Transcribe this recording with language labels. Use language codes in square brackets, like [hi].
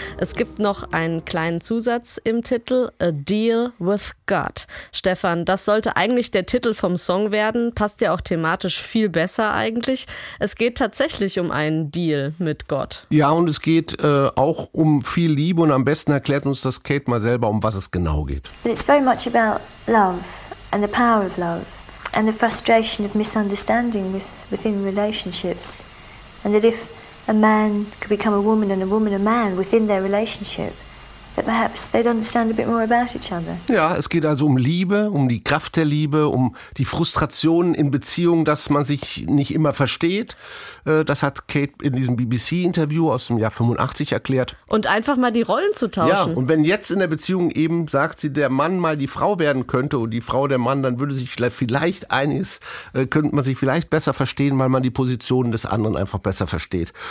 [de] Es gibt noch einen kleinen Zusatz im Titel, A Deal with God. Stefan, das sollte eigentlich der Titel vom Song werden, passt ja auch thematisch viel besser eigentlich. Es geht tatsächlich um einen Deal mit Gott. Ja, und es geht auch um viel Liebe und am besten erklärt uns das Kate mal selber, um was es genau geht. [en] It's very much about love and the power of love. And the frustration of misunderstanding within relationships. And that if a man could become a woman and a woman a man within their relationship, that perhaps they'd understand a bit more about each other. [de] Ja, es geht also um Liebe, um die Kraft der Liebe, um die Frustration in Beziehungen, dass man sich nicht immer versteht. Das hat Kate in diesem BBC-Interview aus dem Jahr 85 erklärt. Und einfach mal die Rollen zu tauschen. Ja, und wenn jetzt in der Beziehung eben, sagt sie, der Mann mal die Frau werden könnte und die Frau der Mann, dann würde sich vielleicht einiges, könnte man sich vielleicht besser verstehen, weil man die Positionen des anderen einfach besser versteht.